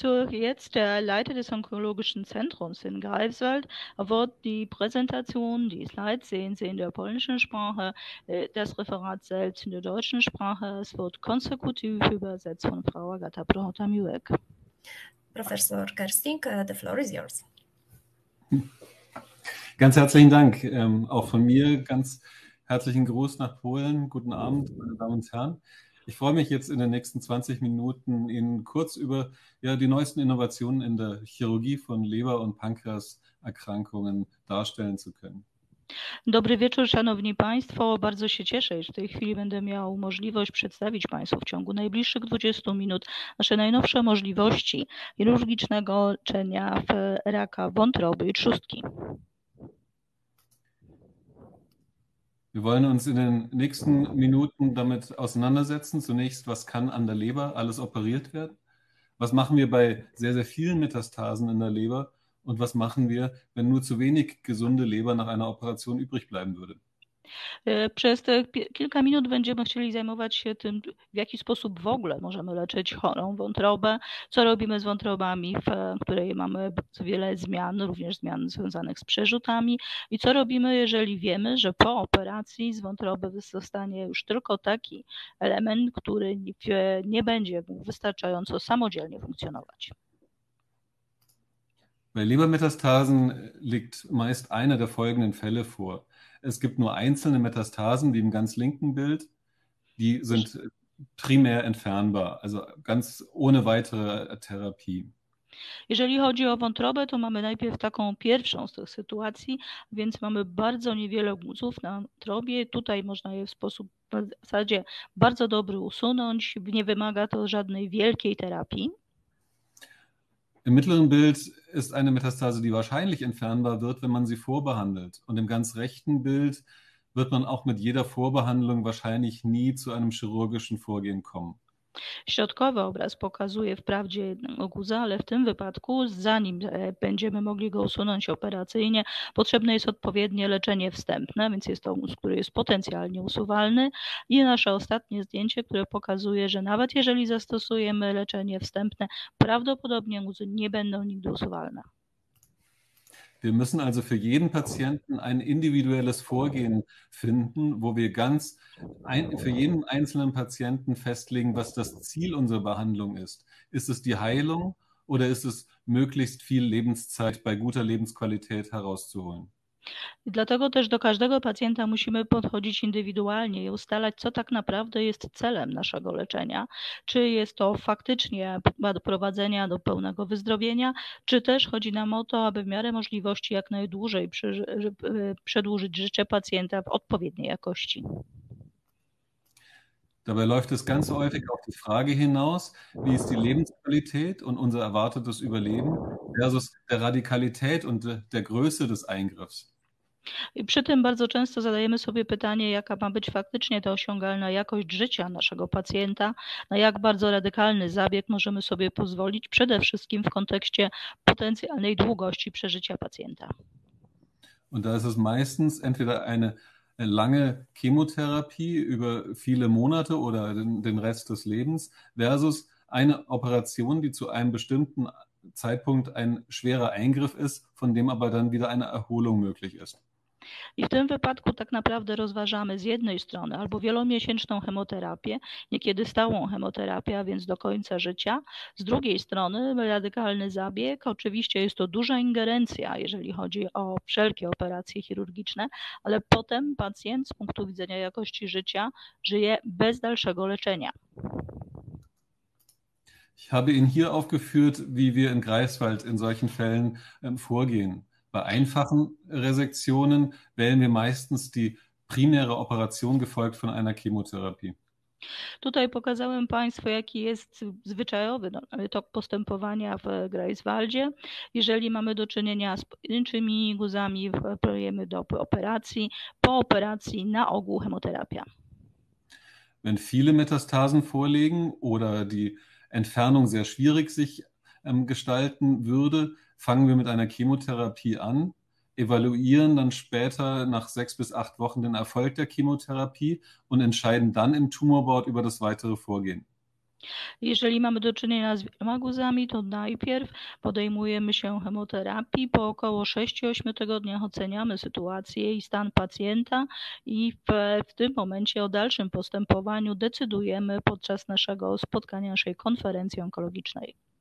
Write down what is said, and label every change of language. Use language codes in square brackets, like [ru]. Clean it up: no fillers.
[de] Jetzt der Leiter des Onkologischen Zentrums in Greifswald wird die Präsentation, die Slides sehen Sie in der polnischen Sprache, das Referat selbst in der deutschen Sprache. Es wird konsekutiv übersetzt von Frau Agata Prochotę-Miłek. [en] Professor Kersting, the floor is yours. [de] Ganz herzlichen Dank, auch von mir. Ganz herzlichen Gruß nach Polen. Guten Abend, meine Damen und Herren. Ich freue mich jetzt in den nächsten 20 Minuten Ihnen kurz über ja, die neuesten Innovationen in der Chirurgie von Leber- und Pankreaserkrankungen darstellen zu können. [pl] Dobry wieczór, szanowni państwo. Bardzo się cieszę, że w tej chwili będę miał możliwość przedstawić państwu w ciągu najbliższych 20 minut nasze najnowsze możliwości chirurgicznego leczenia raka wątroby i trzustki. [de] Wir wollen uns in den nächsten Minuten damit auseinandersetzen. Zunächst, was kann an der Leber alles operiert werden? Was machen wir bei sehr, sehr vielen Metastasen in der Leber? Und was machen wir, wenn nur zu wenig gesunde Leber nach einer Operation übrig bleiben würde? [pl] Przez te kilka minut będziemy chcieli zajmować się tym, w jaki sposób w ogóle możemy leczyć chorą wątrobę, co robimy z wątrobami, w której mamy bardzo wiele zmian, również zmian związanych z przerzutami i co robimy, jeżeli wiemy, że po operacji z wątroby zostanie już tylko taki element, który nie będzie wystarczająco samodzielnie funkcjonować. [de] Bei Lebermetastasen liegt meist einer der folgenden Fälle vor. Es gibt nur einzelne Metastasen, wie im ganz linken Bild, die sind primär entfernbar, also ganz ohne weitere Therapie. [pl] Jeżeli chodzi o wątrobę, to mamy najpierw taką pierwszą z tych sytuacji, więc mamy bardzo niewiele guzów na wątrobie. Tutaj można je w sposób w zasadzie bardzo dobry usunąć. Nie wymaga to żadnej wielkiej terapii. [de] Im mittleren Bild ist eine Metastase, die wahrscheinlich entfernbar wird, wenn man sie vorbehandelt. Und im ganz rechten Bild wird man auch mit jeder Vorbehandlung wahrscheinlich nie zu einem chirurgischen Vorgehen kommen. [pl] Środkowy obraz pokazuje wprawdzie jednego guza, ale w tym wypadku, zanim będziemy mogli go usunąć operacyjnie, potrzebne jest odpowiednie leczenie wstępne, więc jest to guz, który jest potencjalnie usuwalny. I nasze ostatnie zdjęcie, które pokazuje, że nawet jeżeli zastosujemy leczenie wstępne, prawdopodobnie guzy nie będą nigdy usuwalne. [de] Wir müssen also für jeden Patienten ein individuelles Vorgehen finden, wo wir ganz für jeden einzelnen Patienten festlegen, was das Ziel unserer Behandlung ist. Ist es die Heilung oder ist es möglichst viel Lebenszeit bei guter Lebensqualität herauszuholen? [pl] Dlatego też do każdego pacjenta musimy podchodzić indywidualnie i ustalać, co tak naprawdę jest celem naszego leczenia. Czy jest to faktycznie doprowadzenia do pełnego wyzdrowienia, czy też chodzi nam o to, aby w miarę możliwości jak najdłużej przedłużyć życie pacjenta w odpowiedniej jakości. [de] Dabei läuft es ganz häufig auf die Frage hinaus, wie ist die Lebensqualität und unser erwartetes Überleben versus der Radikalität und der Größe des Eingriffs. [pl] I przy tym bardzo często zadajemy sobie pytanie, jaka ma być faktycznie ta osiągalna jakość życia naszego pacjenta, na jak bardzo radykalny zabieg możemy sobie pozwolić, przede wszystkim w kontekście potencjalnej długości przeżycia pacjenta. [de] Und da ist es meistens entweder eine lange Chemotherapie über viele Monate oder den Rest des Lebens versus eine Operation, die zu einem bestimmten Zeitpunkt ein schwerer Eingriff ist, von dem aber dann wieder eine Erholung möglich ist. [pl] I w tym wypadku tak naprawdę rozważamy z jednej strony albo wielomiesięczną chemoterapię, niekiedy stałą chemoterapię, a więc do końca życia. Z drugiej strony radykalny zabieg. Oczywiście jest to duża ingerencja, jeżeli chodzi o wszelkie operacje chirurgiczne, ale potem pacjent z punktu widzenia jakości życia żyje bez dalszego leczenia. [de] Ich habe Ihnen hier aufgeführt, wie wir in Greifswald in solchen Fällen vorgehen. Bei einfachen Resektionen wählen wir meistens die primäre Operation, gefolgt von einer Chemotherapie. [pl] Tutaj pokazałem Państwu, jaki jest zwyczajowy tok postępowania w Greifswaldzie. Jeżeli mamy do czynienia z pojedynczymi guzami, wpłyniemy do operacji. Po operacji na ogół chemoterapia. [de] Wenn viele Metastasen vorliegen oder die Entfernung sehr schwierig sich gestalten würde, fangen wir mit einer Chemotherapie an, evaluieren dann später nach 6 bis 8 Wochen den Erfolg der Chemotherapie und entscheiden dann im Tumorboard über das weitere Vorgehen. [pl] Jeżeli mamy do czynienia z wieloma guzami, to najpierw podejmujemy się chemoterapii. Po około 6-8 tygodniach oceniamy sytuację i stan pacjenta i w tym momencie o dalszym postępowaniu decydujemy podczas naszego spotkania, naszej konferencji onkologicznej.